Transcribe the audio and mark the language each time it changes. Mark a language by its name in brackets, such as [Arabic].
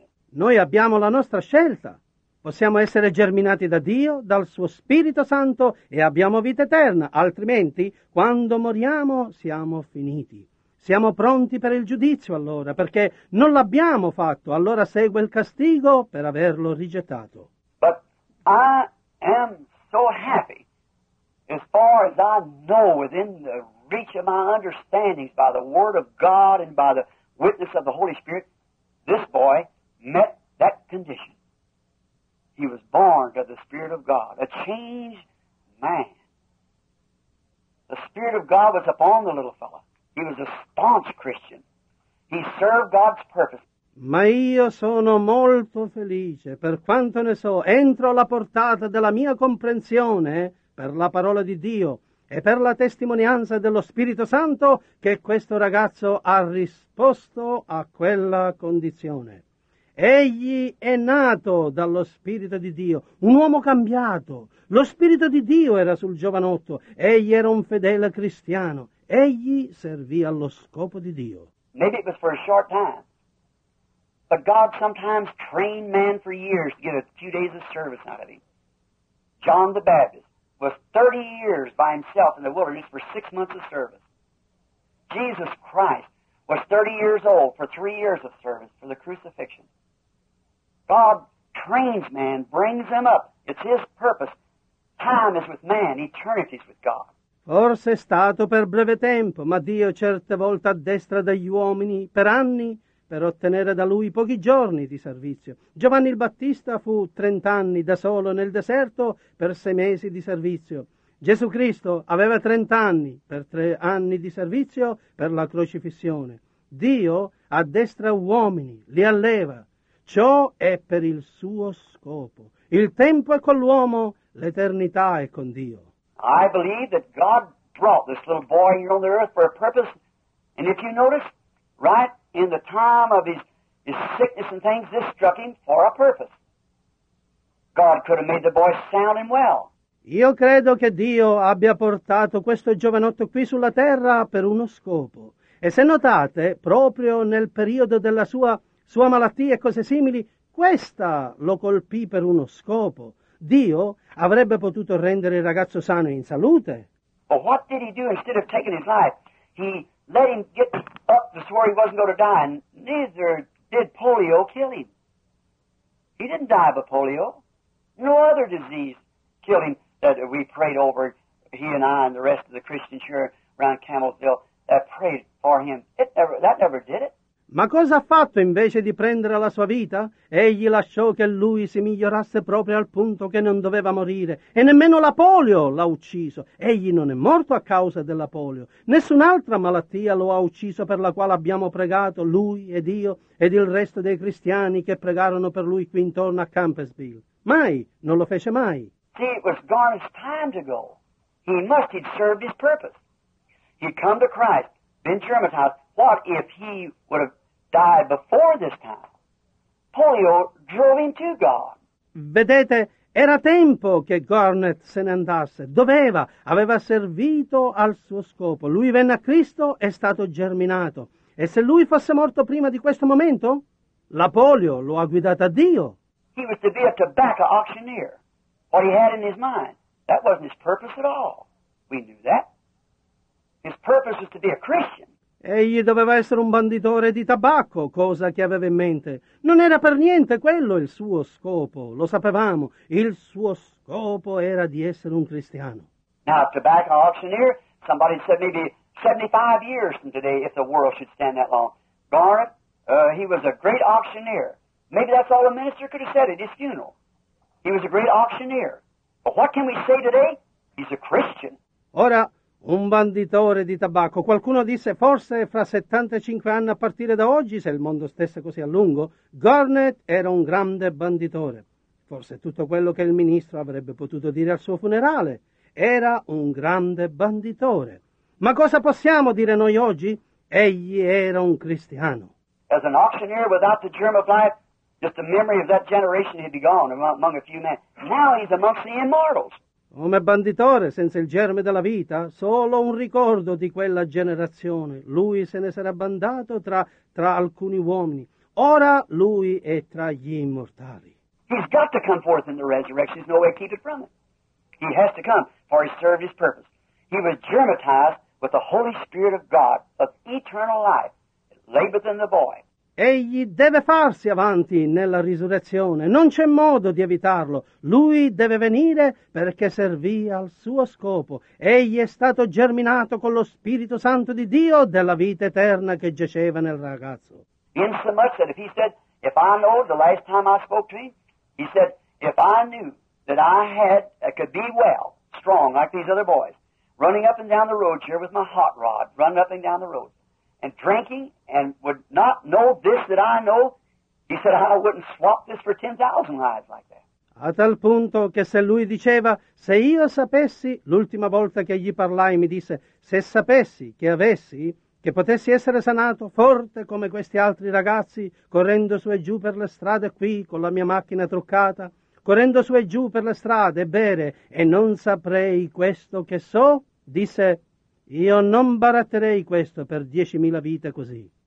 [Italian] Noi abbiamo la nostra scelta. Possiamo essere germinati da Dio, dal suo Spirito Santo e abbiamo vita eterna. Altrimenti, quando moriamo, siamo finiti. Siamo pronti per il giudizio allora, perché non l'abbiamo fatto. Allora segue il castigo per averlo rigettato. [English] But I am so happy, as far as I know, within the reach of my understandings, by the Word of God and by the witness of the Holy Spirit, this boy met that condition. He was born to the Spirit of God, a changed man. The Spirit of God was upon the little fellow. He was a staunch Christian. He served God's purpose. [Italian] Ma io sono molto felice, per quanto ne so, entro la portata della mia comprensione per la parola di Dio e per la testimonianza dello Spirito Santo che questo ragazzo ha risposto a quella condizione. Egli è nato dallo Spirito di Dio, un uomo cambiato. Lo Spirito di Dio era sul giovanotto, egli era un fedele cristiano, egli servì allo scopo di Dio. [English] Maybe it was for a short time. But God sometimes trained man for years to get a few days of service out of him. John the Baptist was 30 years by himself in the wilderness for 6 months of service. Jesus Christ was 30 years old for 3 years of service for the crucifixion. God trains man, brings him up. It's his purpose. Time is with man, eternity is with God. [Italian] Forse è stato per breve tempo, ma Dio certe volte addestra degli uomini per anni per ottenere da lui pochi giorni di servizio. Giovanni il Battista fu 30 anni da solo nel deserto per 6 mesi di servizio. Gesù Cristo aveva 30 anni per 3 anni di servizio per la crocifissione. Dio addestra uomini, li alleva. Ciò è per il suo scopo. Il tempo è con l'uomo, l'eternità è con Dio. [English] I believe that God brought this little boy here on the earth for a purpose. And if you notice, right in the time of his sickness and things, this struck him for a purpose. God could have made the boy sound him well. [Italian] Io credo che Dio abbia portato questo giovanotto qui sulla terra per uno scopo. E se notate, proprio nel periodo della sua malattia e cose simili, questa lo colpì per uno scopo. Dio avrebbe potuto rendere il ragazzo sano e in salute. [English] But what did he do instead of taking his life? He let him get up to swore he wasn't going to die, and neither did polio kill him. He didn't die of polio. No other disease killed him that we prayed over, he and I and the rest of the Christians here around Camelsville that prayed for him. That never did it. [Italian] Ma cosa ha fatto invece di prendere la sua vita? Egli lasciò che lui si migliorasse proprio al punto che non doveva morire. E nemmeno la polio l'ha ucciso. Egli non è morto a causa della polio. Nessun'altra malattia lo ha ucciso per la quale abbiamo pregato lui ed io ed il resto dei cristiani che pregarono per lui qui intorno a Campbellsville. Mai, non lo fece mai. [English] See, it was God's time to go. He must have served his purpose. He'd come to Christ, been germanized. What if he would have died before this time? Polio drove him to God. [Italian] Vedete, era tempo che Garnet se ne andasse. Doveva, aveva servito al suo scopo. Lui venne a Cristo, è stato germinato. E se lui fosse morto prima di questo momento, la polio lo ha guidato a Dio. [English] He was to be a tobacco auctioneer. What he had in his mind, that wasn't his purpose at all. We knew that. His purpose was to be a Christian. [Italian] Egli doveva essere un banditore di tabacco, cosa che aveva in mente. Non era per niente quello il suo scopo, lo sapevamo. Il suo scopo era di essere un cristiano. [English] Now, tobacco auctioneer, somebody said maybe 75 years from today if the world should stand that long. Garnet, he was a great auctioneer. Maybe that's all a minister could have said at his funeral. He was a great auctioneer. But what can we say today? He's a Christian. [Italian] Ora, un banditore di tabacco. Qualcuno disse, forse fra 75 anni a partire da oggi, se il mondo stesse così a lungo, Garnet era un grande banditore. Forse tutto quello che il ministro avrebbe potuto dire al suo funerale. Era un grande banditore. Ma cosa possiamo dire noi oggi? Egli era un cristiano. [English] As an auctioneer without the germ of life, just the memory of that generation had gone among a few men. Now he's amongst the immortals. [Italian] Come banditore, senza il germe della vita, solo un ricordo di quella generazione. Lui se ne sarebbe andato tra alcuni uomini. Ora lui è tra gli immortali. [English] He's got to come forth in the resurrection. There's no way to keep it from him. He has to come, for he served his purpose. He was germatized with the Holy Spirit of God, of eternal life, labored in the boy. [Italian] Egli deve farsi avanti nella risurrezione. Non c'è modo di evitarlo. Lui deve venire perché servì al suo scopo. Egli è stato germinato con lo Spirito Santo di Dio della vita eterna che giaceva nel ragazzo. [English] In so much that if he said If I know, the last time I spoke to him, he said, if I knew that I had I could be well, strong, like these other boys, running up and down the road here with my hot rod, running up and down the road, and drinking, and would not know this that I know, he said, I wouldn't swap this for 10,000 lives like that. [Italian] A tal punto che se lui diceva, se io sapessi, l'ultima volta che gli parlai mi disse, se sapessi che avessi, che potessi essere sanato, forte come questi altri ragazzi, correndo su e giù per le strade qui con la mia macchina truccata, correndo su e giù per le strade, bere, e non saprei questo che so, disse, io non baratterei questo per 10,000 vite così.